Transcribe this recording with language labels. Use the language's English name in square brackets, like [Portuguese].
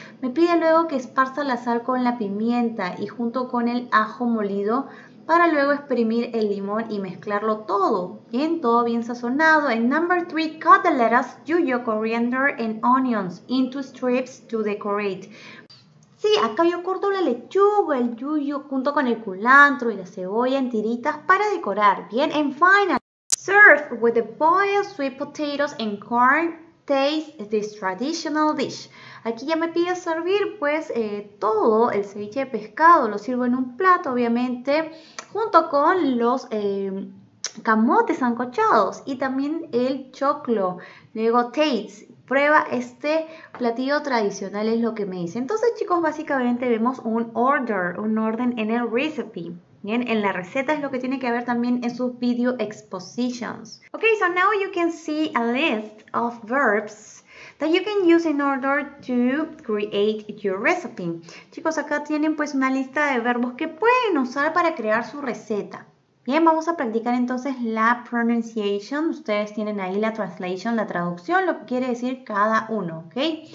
[Spanish] Me pide luego que esparza la sal con la pimienta y junto con el ajo molido para luego exprimir el limón y mezclarlo todo, bien, todo bien sazonado. [English] En number 3, cut the lettuce, yuyo, coriander and onions into strips to decorate. [Spanish] Sí, acá yo corto la lechuga, el yuyo, junto con el culantro y la cebolla en tiritas para decorar, bien. [English] And finally, serve with the boiled sweet potatoes and corn, taste this traditional dish. [Spanish] Aquí ya me pide servir pues todo el ceviche de pescado, lo sirvo en un plato obviamente junto con los camotes sancochados y también el choclo. Luego taste, prueba este platillo tradicional es lo que me dice. Entonces chicos básicamente vemos un orden en el recipe. Bien, en la receta es lo que tiene que ver también en sus video expositions. [English] Ok, so now you can see a list of verbs that you can use in order to create your recipe. [Spanish] Chicos, acá tienen pues una lista de verbos que pueden usar para crear su receta. Bien, vamos a practicar entonces la pronunciation. Ustedes tienen ahí la translation, la traducción, lo que quiere decir cada uno, ok?